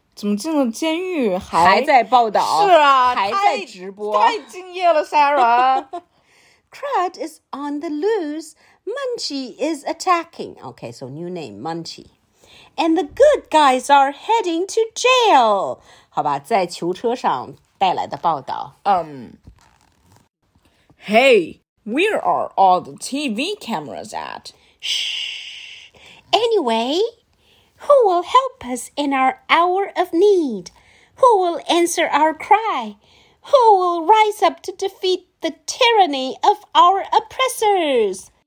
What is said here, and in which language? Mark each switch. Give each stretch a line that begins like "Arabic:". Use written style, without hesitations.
Chinese: 怎么进了监狱还在报道？是啊，还在直播，太敬业了 ，Sarah。
English: Crud is on the loose. Munchie is attacking. Okay, so new name, Munchie. And the good guys are heading to jail.
Chinese: 好吧，在囚车上带来的报道。
English: Hey, where are all the TV cameras at? Shh. Anyway, who will help us in our hour of need? Who will answer our cry? Who will rise up to defeat the tyranny of our oppressors.